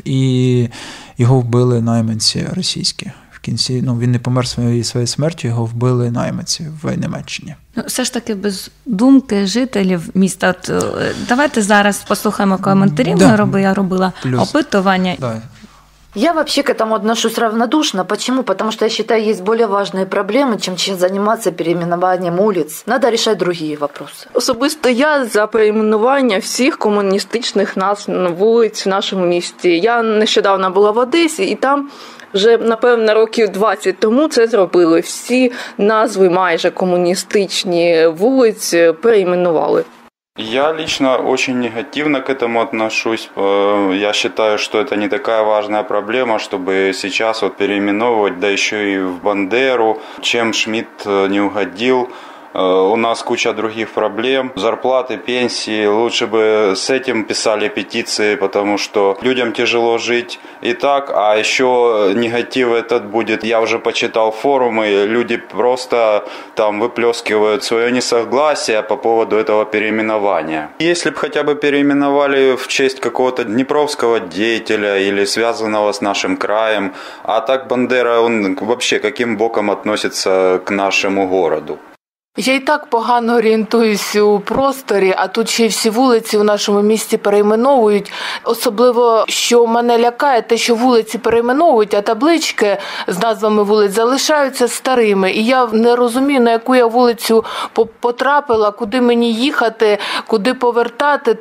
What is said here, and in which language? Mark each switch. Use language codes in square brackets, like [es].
[uk] І його вбили найманці російські. В кінці, ну, він не помер своєю смертю, його вбили найманці в Німеччині. Ну, все ж таки, без думки жителів міста, то давайте зараз послухаємо коментарі, я робила опитування. [ru] Да. Я вообще к этому отношусь равнодушно. Почему? Потому что я считаю, есть более важные проблемы, чем заниматься переименованием улиц. Надо решать другие вопросы. [uk] Особисто я за переименування всіх комуністичних вулиць в нашому місті. Я нещодавно була в Одесі, і там вже, напевно, років 20 тому це зробили. Всі назви майже комуністичні вулиць переименували. [ru] Я лично очень негативно к этому отношусь. Я считаю, что это не такая важная проблема, чтобы сейчас вот переименовывать, да еще и в Бандеру. Чем Шмидт не угодил? У нас куча других проблем. Зарплаты, пенсии. Лучше бы с этим писали петиции, потому что людям тяжело жить и так. А еще негатив этот будет. Я уже почитал форумы. Люди просто там выплескивают свое несогласие по поводу этого переименования. Если бы хотя бы переименовали в честь какого-то днепровского деятеля или связанного с нашим краем. А так Бандера, он вообще каким боком относится к нашему городу? [uk] Я і так погано орієнтуюся у просторі, а тут ще й всі вулиці в нашому місті перейменовують. Особливо, що мене лякає, те, що вулиці перейменовують, а таблички з назвами вулиць залишаються старими. І я не розумію, на яку я вулицю потрапила, куди мені їхати, куди повертати.